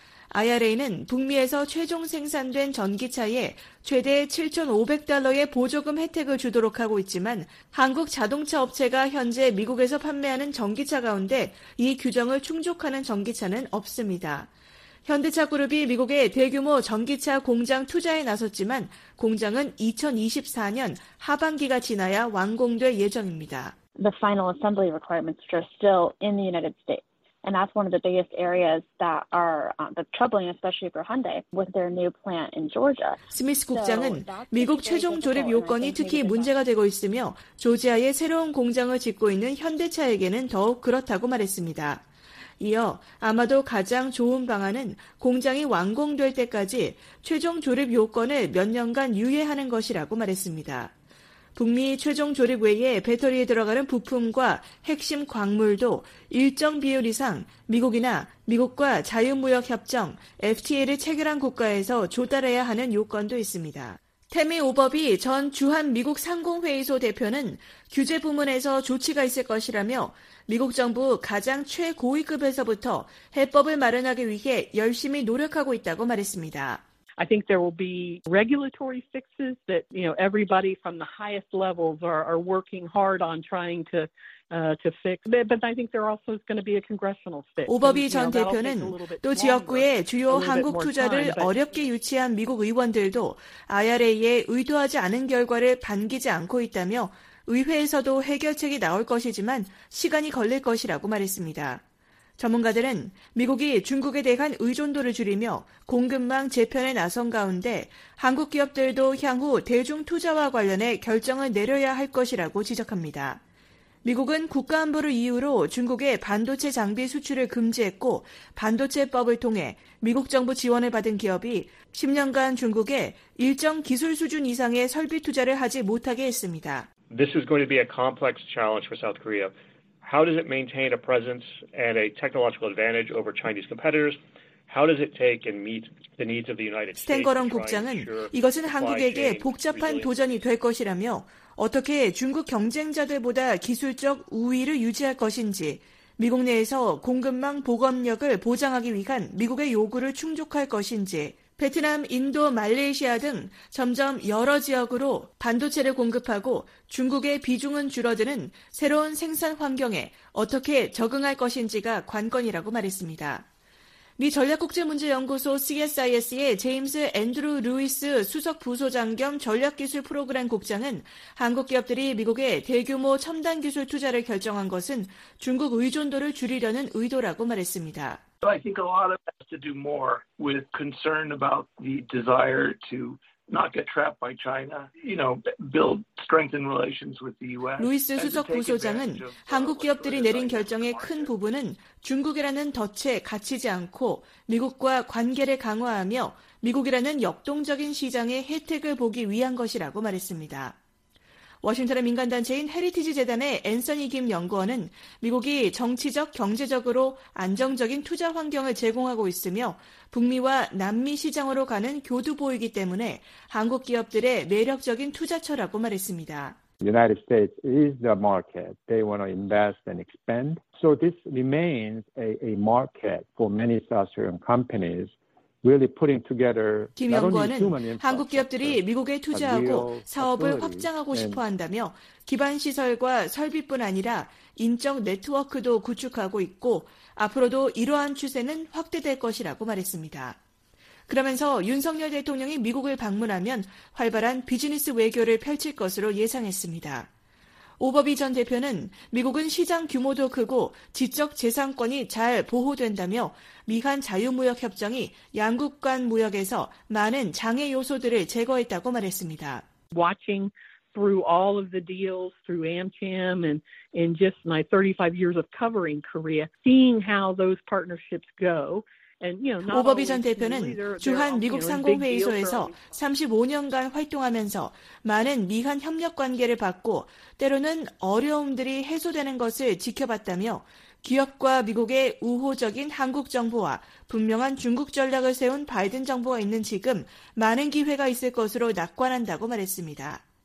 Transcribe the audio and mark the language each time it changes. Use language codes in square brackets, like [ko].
[ko] IRA는 북미에서 최종 생산된 전기차에 최대 7,500달러의 보조금 혜택을 주도록 하고 있지만 한국 자동차 업체가 현재 미국에서 판매하는 전기차 가운데 이 규정을 충족하는 전기차는 없습니다. 현대차 그룹이 미국에 대규모 전기차 공장 투자에 나섰지만 공장은 2024년 하반기가 지나야 완공될 예정입니다. [en] The final assembly requirements are still in the United States. And that's one of the biggest areas that are troubling, especially for Hyundai with their new plant in Georgia. [ko] 스미스 국장은 미국 최종 조립 요건이 특히 문제가 되고 있으며 조지아의 새로운 공장을 짓고 있는 현대차에게는 더욱 그렇다고 말했습니다. 이어 아마도 가장 좋은 방안은 공장이 완공될 때까지 최종 조립 요건을 몇 년간 유예하는 것이라고 말했습니다. 북미 최종 조립 외에 배터리에 들어가는 부품과 핵심 광물도 일정 비율 이상 미국이나 미국과 자유무역협정 FTA를 체결한 국가에서 조달해야 하는 요건도 있습니다. 태미 오버비 전 주한미국 상공회의소 대표는 규제 부문에서 조치가 있을 것이라며 미국 정부 가장 최고위급에서부터 해법을 마련하기 위해 열심히 노력하고 있다고 말했습니다. [en] I think there will be regulatory fixes that, you know, everybody from the highest levels are working hard on trying to fix. But I think there also is going to be a congressional fix. [ko] 오버비 전 대표는 또 지역구의 주요 한국 투자를 어렵게 유치한 미국 의원들도 IRA에 의도하지 않은 결과를 반기지 않고 있다며 의회에서도 해결책이 나올 것이지만 시간이 걸릴 것이라고 말했습니다. 전문가들은 미국이 중국에 대한 의존도를 줄이며 공급망 재편에 나선 가운데 한국 기업들도 향후 대중 투자와 관련해 결정을 내려야 할 것이라고 지적합니다. 미국은 국가안보를 이유로 중국의 반도체 장비 수출을 금지했고 반도체법을 통해 미국 정부 지원을 받은 기업이 10년간 중국에 일정 기술 수준 이상의 설비 투자를 하지 못하게 했습니다. [en] This is going to be a complex challenge for South Korea. How does it maintain a presence and a technological advantage over Chinese competitors? How does it take and meet the needs of the United States? [ko] 스탱거런 국장은 이것은 한국에게 복잡한 도전이 될 것이라며 어떻게 중국 경쟁자들보다 기술적 우위를 유지할 것인지 미국 내에서 공급망 보급력을 보장하기 위한 미국의 요구를 충족할 것인지 베트남, 인도, 말레이시아 등 점점 여러 지역으로 반도체를 공급하고 중국의 비중은 줄어드는 새로운 생산 환경에 어떻게 적응할 것인지가 관건이라고 말했습니다. 미 전략국제문제연구소 CSIS의 제임스 앤드루 루이스 수석 부소장 겸 전략기술 프로그램 국장은 한국 기업들이 미국에 대규모 첨단 기술 투자를 결정한 것은 중국 의존도를 줄이려는 의도라고 말했습니다. [en] So I think a lot of it has to do more with concern about the desire to not get trapped by China, you know, build strengthen relations with the U.S. [ko] 루이스 수석 부소장은 한국 기업들이 내린 결정의 큰 부분은 중국이라는 덫에 갇히지 않고 미국과 관계를 강화하며 미국이라는 역동적인 시장의 혜택을 보기 위한 것이라고 말했습니다. 워싱턴의 민간단체인 헤리티지 재단의 앤서니 김 연구원은 미국이 정치적, 경제적으로 안정적인 투자 환경을 제공하고 있으며 북미와 남미 시장으로 가는 교두보이기 때문에 한국 기업들의 매력적인 투자처라고 말했습니다. [en] United States is the market. They want to invest and expand. So this remains a market for many South Korean companies. Really putting together, [ko] 김 연구원은 한국 기업들이 미국에 투자하고 사업을 확장하고 싶어 한다며 기반시설과 설비뿐 아니라 인적 네트워크도 구축하고 있고 앞으로도 이러한 추세는 확대될 것이라고 말했습니다. 그러면서 윤석열 대통령이 미국을 방문하면 활발한 비즈니스 외교를 펼칠 것으로 예상했습니다. 오버비 전 대표는 미국은 시장 규모도 크고 지적 재산권이 잘 보호된다며 미한 자유무역협정이 양국 간 무역에서 많은 장애 요소들을 제거했다고 말했습니다. [en] Watching through all of the deals through AmCham and just my 35 years of covering Korea, seeing how those partnerships go. [ko] 오버비 전 대표는 주한 미국 상공회의소에서 35년간 활동하면서 많은 미한 협력 관계를 받고 때로는 어려움들이 해소되는 것을 지켜봤다며 기업과 미국의 우호적인 한국 정부와 분명한 중국 전략을 세운 바이든 정부가 있는 지금 많은 기회가 있을 것으로 낙관한다고 말했습니다.